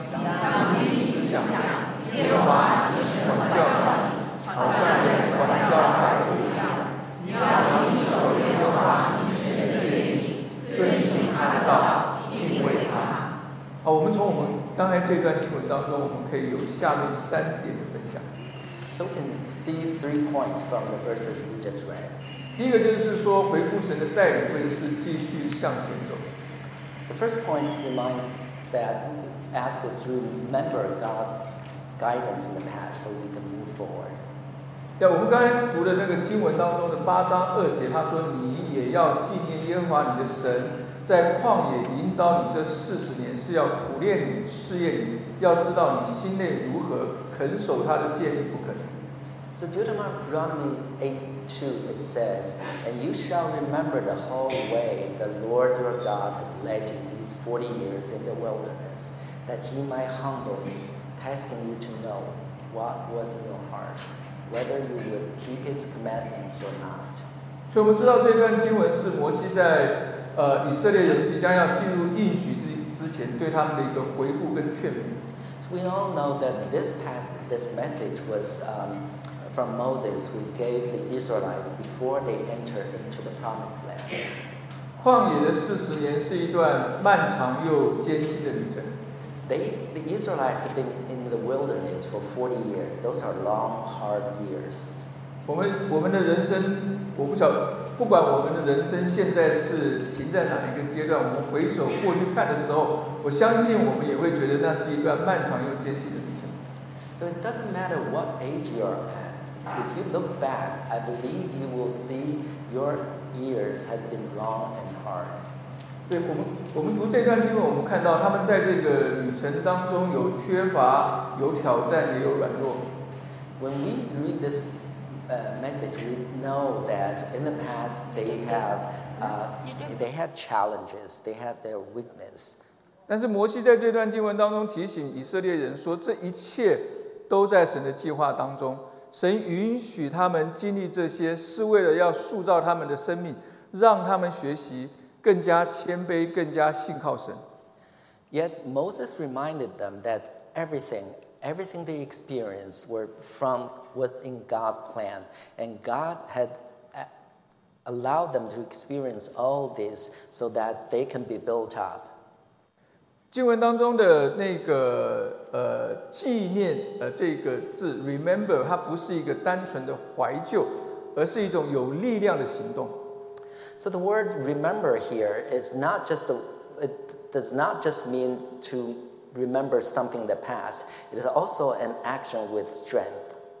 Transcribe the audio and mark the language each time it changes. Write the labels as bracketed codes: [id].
[zh] 当心思想，耶和华是什么教导？好像人管教孩子一样，你要谨守耶和华你神的诫命，遵行他的道，敬畏他。好，我们从我们刚才这段经文当中，我们可以有下面三点的分享。 [en] So we can see three points from the verses we just read. [zh] 第一个就是说，回顾神的带领，或者是继续向前走。 [en] The first point reminds that ask us to remember God's guidance in the past, so we can move forward. [zh] 对，我们刚才读的那个经文当中的八章二节，他说：“你也要纪念耶和华你的神，在旷野引导你这四十年，是要苦练你、试验你，要知道你心内如何，肯守他的诫命不可能。” [en] So Deuteronomy 8:2 it says, "And you shall remember the whole way the Lord your God had led you these 40 years in the wilderness, that He might humble you, testing you to know what was in your heart." Whether you would keep his commandments or not. [zh] 所以我们知道这段经文是摩西在以色列人即将要进入应许之前对他们的一个回顾跟劝勉。 [en] So we all know that this message was from Moses who gave the Israelites before they entered into the promised land. [zh] 旷野的四十年是一段漫长又艰辛的旅程。 [en] The Israelites have been in the wilderness for 40 years. Those are long, hard years. [zh] 我们的人生，我不晓得，不管我们的人生现在是停在哪一个阶段，我们回首过去看的时候，我相信我们也会觉得那是一段漫长又艰辛的旅程。 [en] So it doesn't matter what age you are at. If you look back, I believe you will see your years has been long and hard. [zh] 对，我们读这段经文，我们看到他们在这个旅程当中有缺乏，有挑战，也有软弱。 [en] When we read this message, we know that in the past they have they had challenges, they had their weakness. [zh] 但是摩西在这段经文当中提醒以色列人说，这一切都在神的计划当中，神允许他们经历这些，是为了要塑造他们的生命，让他们学习更加谦卑，更加信靠神。 [en] Yet Moses reminded them that everything they experienced were from within God's plan, and God had allowed them to experience all this so that they can be built up. [zh] 经文当中的那个纪念这个字 remember， 它不是一个单纯的怀旧，而是一种有力量的行动。 [en] So the word remember here is not just it does not just mean to remember something that passed. It is also an action with strength.